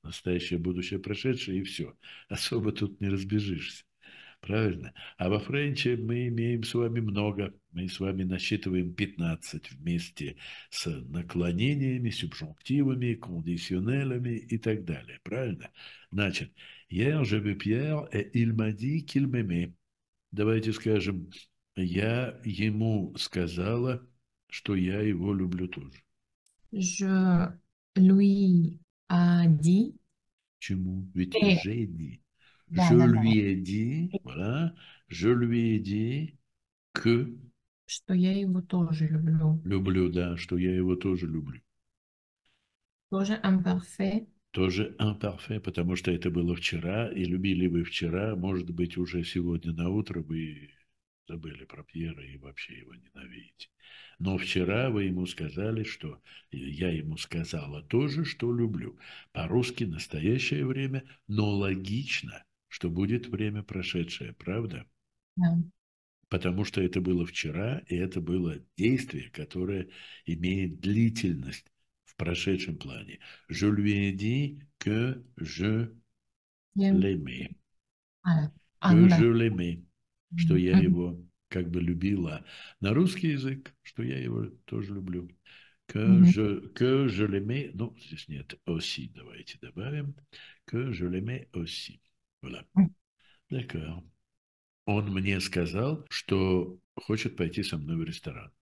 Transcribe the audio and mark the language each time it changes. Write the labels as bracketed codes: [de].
[ru] Настоящее, будущее, прошедшее, и все. Особо тут не разбежишься. Правильно. А во френче мы имеем с вами много. Мы с вами насчитываем 15 вместе с наклонениями, субжунктивами, кондиционелями и так далее. Правильно? [fr] Значит, «Hier, je vu Pierre, et il m'a dit qu'il m'aimait». [ru] Давайте скажем, «Я ему сказала, что я его люблю тоже». [fr] Je lui ai dit [ru] Чему? Ведь [fr] et «j'ai dit». Je [ru] да. [fr] lui ai dit, voilà, je lui ai dit que [ru] Что я его тоже люблю. люблю, да, что я его тоже люблю. Тоже imparfait. Тоже imparfait, потому что это было вчера, и любили вы вчера, может быть, уже сегодня на утро вы забыли про Пьера и вообще его ненавидите. Но вчера вы ему сказали, что я ему сказала тоже, что люблю. По-русски настоящее время, но логично, что будет время прошедшее, правда? Потому что это было вчера, и это было действие, которое имеет длительность в прошедшем плане. [fr] Je lui ai dit que je l'aimais. Que je l'aimais. [ru] Что я его как бы любила. На русский язык, что я его тоже люблю. [fr] Que je l'aimais. [ru] Ну, здесь нет aussi, давайте добавим. [fr] Que je l'aimais aussi. Voilà. D'accord. [ru] Он мне сказал, что хочет пойти со мной в ресторан.